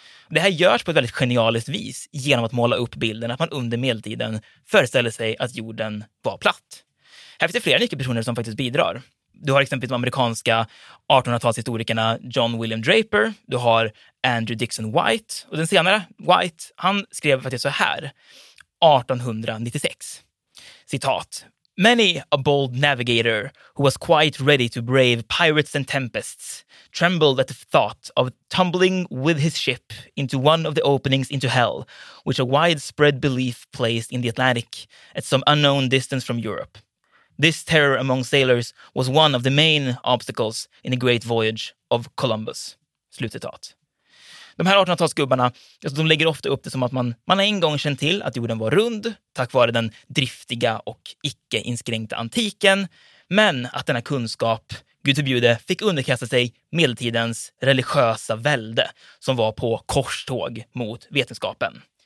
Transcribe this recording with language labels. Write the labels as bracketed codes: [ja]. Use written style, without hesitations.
[sv] Det här görs på ett väldigt genialiskt vis genom att måla upp bilden att man under medeltiden föreställer sig att jorden var platt. Här finns det flera nyckelpersoner som faktiskt bidrar. Du har exempelvis de amerikanska 1800-talshistorikerna John William Draper, du har Andrew Dixon White, och den senare, White, han skrev faktiskt så här 1896. [en] Citat: "Many a bold navigator who was quite ready to brave pirates and tempests trembled at the thought of tumbling with his ship into one of the openings into hell, which a widespread belief placed in the Atlantic at some unknown distance from Europe. This terror among sailors was one of the main obstacles in the great voyage of Columbus." [sv] Slutcitat. De här 1800-talsgubbarna, de lägger ofta upp det som att man har en gång känt till att jorden var rund tack vare den driftiga och icke-inskränkta antiken, men att denna kunskap, Gud förbjude, fick underkasta sig medeltidens religiösa välde som var på korståg mot vetenskapen.